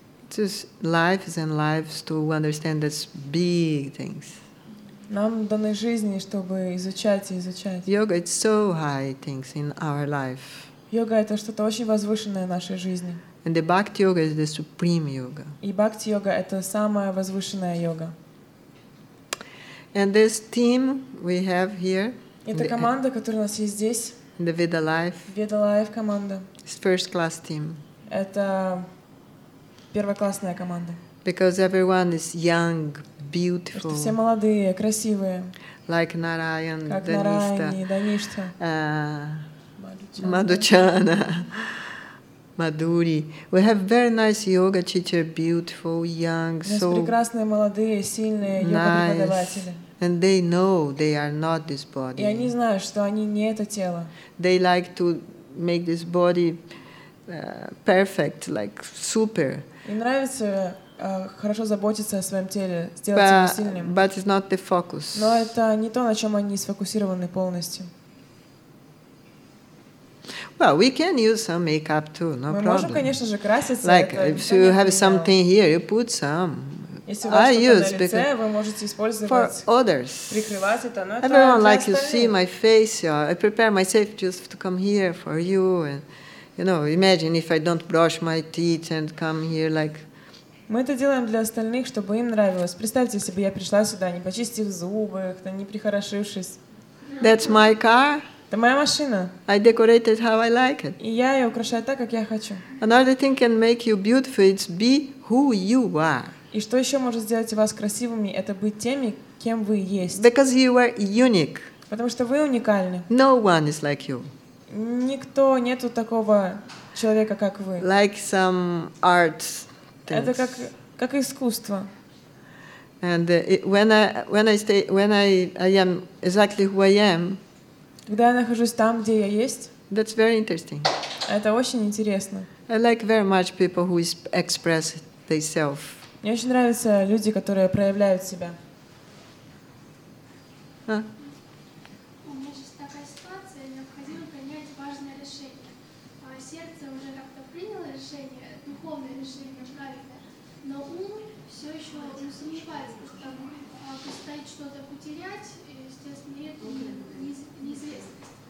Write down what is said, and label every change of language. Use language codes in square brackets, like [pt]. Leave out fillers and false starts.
[en] Just lives and lives to understand these big things. [ru] Нам даны жизни, чтобы изучать и изучать. [en] Yoga is so high things in our life. [ru] Йога это что-то очень возвышенное в нашей жизни. [en] And the Bhakti yoga is the supreme yoga. [ru] И Bhakti yoga это самая возвышенная йога. [en] And this team we have here. [ru] Это команда, которая у нас есть здесь. [en] The Veda Life. [ru] Veda Life команда. [en] It's first class team. [ru] Это первоклассная команда. [en] Because everyone is young, beautiful. [ru] Все молодые, красивые. [en] Like Narayan, [ru] как Нараяни, Даништа, Мадучана, Мадури. [en] We have very nice yoga teacher, beautiful, young, so. [ru] У нас прекрасные молодые, сильные йога-преподаватели. [en] And they know they are not this body. [ru] И они знают, что они не это тело. [en] They like to make this body perfect, like super. [ru] Им нравится хорошо заботиться о своем теле, сделать его сильным. [en] But it's not the focus. [ru] Но это не то, на чем они сфокусированы полностью. [en] Well, we can use some makeup too, no [ru] Мы [en] problem. [ru] Можем, конечно же, краситься. [en] Like, if you have something here, you put some. [ru] Если у вас что-то на лице, [en] because [ru] вы можете использовать. [en] For others. [ru] Прикрывать это, но [en] Everyone [ru] это [en] like you see my face, I prepare myself just to come here for you and. You know, imagine if I don't brush my teeth and come here like. [ru] Мы это делаем для остальных, чтобы им нравилось. Представьте, если бы я пришла сюда, не почистив зубы, как-то не прихорошившись. [en] That's my car. [ru] Это моя машина. [en] I decorate it how I like it. [ru] И я ее украшаю так, как я хочу. [en] Another thing can make you beautiful is be who you are. [ru] И что еще может сделать вас красивыми? Это быть теми, кем вы есть. [en] Because you are unique. [ru] Потому что вы уникальны. [en] No one is like you. [ru] Никто нету такого человека, как вы. [en] Like some art things. [ru] Это как искусство. [en] And when I am exactly who I am. [ru] Когда я нахожусь там, где я есть. [en] That's very interesting. [ru] Это очень интересно. [en] I like very much people who express themselves. [ru] Мне очень нравятся люди, которые проявляют себя. У меня сейчас такая ситуация, необходимо принять важное решение. Сердце уже как-то приняло решение, духовное решение, правильное, но ум все еще сомневается, там предстоит что-то потерять, естественно, это неизвестность.